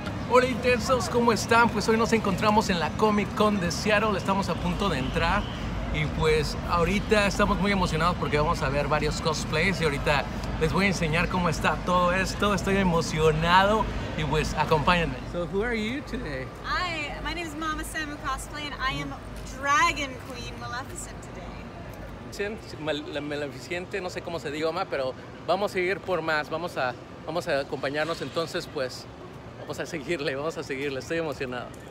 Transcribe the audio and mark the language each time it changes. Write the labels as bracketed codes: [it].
[es] Hola Intensos, ¿cómo están? Pues hoy nos encontramos en la Comic Con de Seattle, estamos a punto de entrar y pues ahorita estamos muy emocionados porque vamos a ver varios cosplays y ahorita les voy a enseñar cómo está todo esto. Estoy emocionado y pues acompáñenme. [en] So, who are you today? Hi, my name is Mama Samu Cosplay and I am Dragon Queen Maleficent today. [es] Maleficiente, no sé cómo se diga, pero vamos a ir por más, vamos a acompañarnos entonces pues. Vamos a seguirle, estoy emocionado.